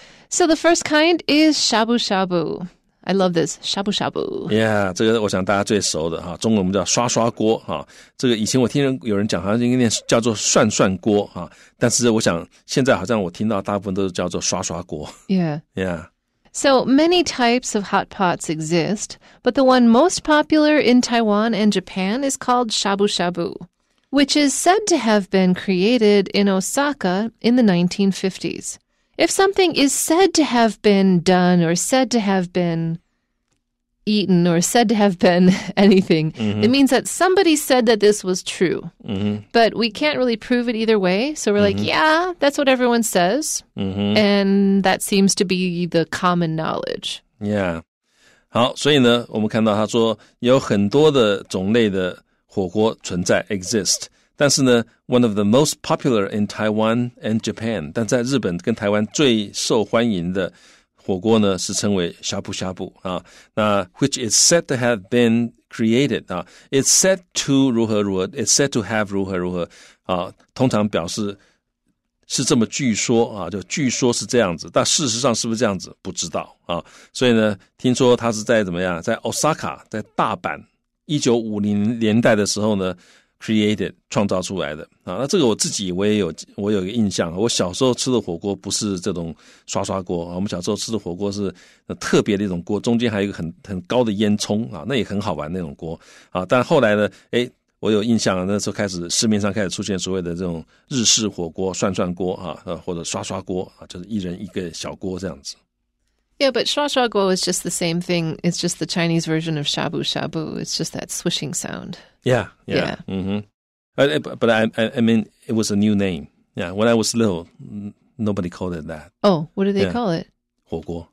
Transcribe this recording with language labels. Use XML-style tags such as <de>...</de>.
<en>So the first kind is shabu-shabu. I love this, shabu-shabu.</en> <zh>Yeah, 这个我想大家最熟的哈，中文我们叫刷刷锅哈。这个以前我听有人讲，好像应该叫做涮涮锅哈。但是我想现在好像我听到大部分都是叫做刷刷锅。</zh> <en>Yeah. Yeah. So many types of hot pots exist, but the one most popular in Taiwan and Japan is called shabu-shabu, which is said to have been created in Osaka in the 1950s. If something is said to have been done or said to have been eaten or said to have been anything, mm-hmm. it means that somebody said that this was true. Mm-hmm. But we can't really prove it either way. So we're mm-hmm. like, yeah, that's what everyone says. Mm-hmm. And that seems to be the common knowledge. Yeah.</en> <zh>好，所以呢，我们看到他说有很多的种类的火锅存在 exist. 但是呢</zh> <en>one of the most popular in Taiwan and Japan,</en> <zh>但在日本跟台湾最受欢迎的火锅呢是称为 shabu shabu, 啊那</zh> <en>which is said to have been created,</en> <zh>啊</zh> <en>it's said to</en> <zh>如何如何</zh> <en>it's said to have</en> <zh>如何如何啊通常表示是这么据说啊就据说是这样子但事实上是不是这样子不知道啊所以呢听说他是在怎么样在 Osaka, 在大阪1950年代的时候呢created, 创造出来的。啊、那这个我自己我有一个印象我小时候吃的火锅不是这种刷刷锅、啊、我们小时候吃的火锅是特别的一种锅中间还有一个 很高的烟囱、啊、那也很好玩那种锅。啊、但后来呢诶我有印象那时候开始市面上开始出现所谓的这种日式火锅涮涮锅、啊、或者刷刷锅、啊、就是一人一个小锅这样子。</zh> <en>Yeah, but shua shua guo is just the same thing. It's just the Chinese version of shabu shabu. It's just that swishing sound. Yeah, yeah. yeah. Mm-hmm. But I mean, it was a new name. Yeah, when I was little, nobody called it that. Oh, what do they yeah. call it?</en> <zh>Huo guo.</zh>